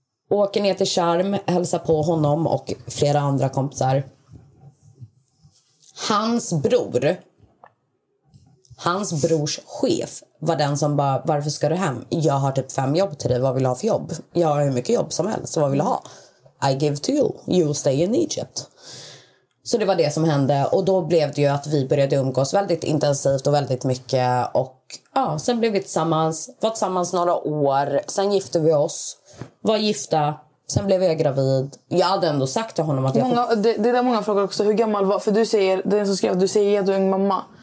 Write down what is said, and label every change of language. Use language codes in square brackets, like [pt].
[sv] Åker ner till Charm, hälsa på honom och flera andra kompisar. Hans brors chef var den som bara, varför ska du hem? Jag har typ 5 jobb till dig, vad vill du ha för jobb? Jag har hur mycket jobb som helst, vad vill du ha? [en] I give to you, you stay in Egypt. [sv] Så det var det som hände. Och då blev det ju att vi började umgås väldigt intensivt och väldigt mycket. Och ja, sen blev vi tillsammans. Var tillsammans några år. Sen gifte vi oss. Var gifta. Sen blev jag gravid. Jag hade ändå sagt till honom att jag... Det är många frågor också. Hur gammal var... För du säger... Den som skrev, du säger att du är ung mamma.